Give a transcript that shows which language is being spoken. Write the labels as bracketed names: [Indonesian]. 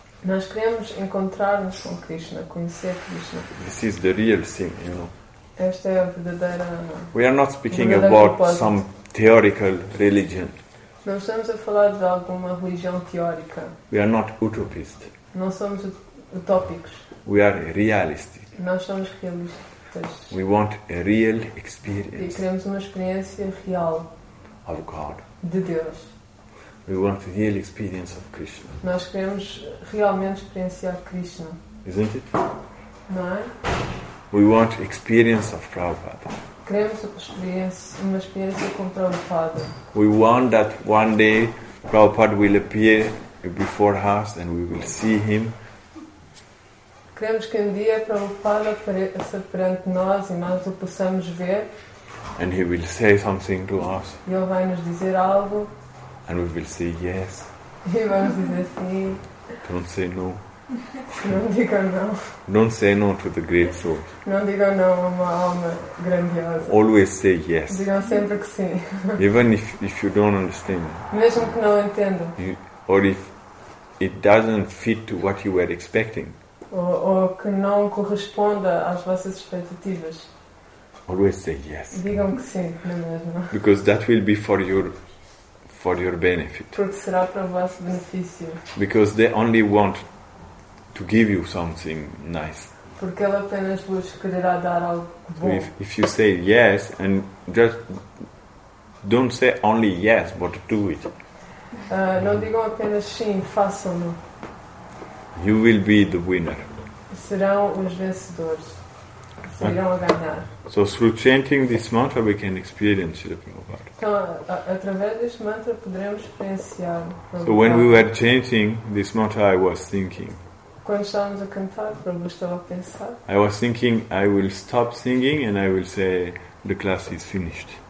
[Portuguese] Nós queremos encontrar-nos com Krishna, conhecer Krishna. [English] This is the real thing, you know. [Portuguese] Esta é a verdadeira. [English] We are not speaking about some theoretical religion. [Portuguese] Não estamos a falar de alguma religião teórica. [English] We are not utopist. [Portuguese] Não somos utópicos. [English] We are realistic. [Portuguese] Nós somos realistas. práticas. [English] We want a real experience. [Portuguese] E queremos uma experiência real. [English] Of God. [Portuguese] De Deus. [English] We want a real experience of Krishna. [Portuguese] Nós queremos realmente experienciar Krishna. [English] Isn't it? [Portuguese] Não é? [English] We want experience of Prabhupada. [Portuguese] Queremos uma experiência com Prabhupada. [English] We want that one day Prabhupada will appear before us and we will see him. [Portuguese] Queremos que um dia Prabhupada apareça perante nós e nós o possamos ver. [English] And he will say something to us. [Portuguese] E ele vai nos dizer algo. [English] And we will say yes. [Portuguese] E vamos dizer sim. [English] Don't say no. [Portuguese] Não diga não. [English] Don't say no to the great soul. [Portuguese] Não diga não a uma alma grandiosa. [English] Always say yes. [Portuguese] Digam sempre que sim. [English] Even if you don't understand. [Portuguese] Mesmo que não entenda. [English] Or if it doesn't fit to what you were expecting. [Portuguese] Ou que não corresponda às vossas expectativas. [English] Always say yes. [Portuguese] Digam que sim, não é mesmo? [English] Because that will be for your benefit. [Portuguese] Porque será para o vosso benefício. [English] Because they only want to give you something nice. [Portuguese] Porque ele apenas vos quererá dar algo bom. [English] If you say yes and just don't say only yes, but do it. [Portuguese] Não digam apenas sim, façam-no. [English] You will be the winner. [Portuguese] Serão os vencedores. Irão a ganhar. [English] So through chanting this mantra we can experience Srila Prabhupada. [Portuguese] Então, através deste mantra poderemos experienciar. [English] So when we were chanting this mantra I was thinking. [Portuguese] Quando estávamos a cantar, Prabhupada estava a pensar. [English] I was thinking I will stop singing and I will say the class is finished.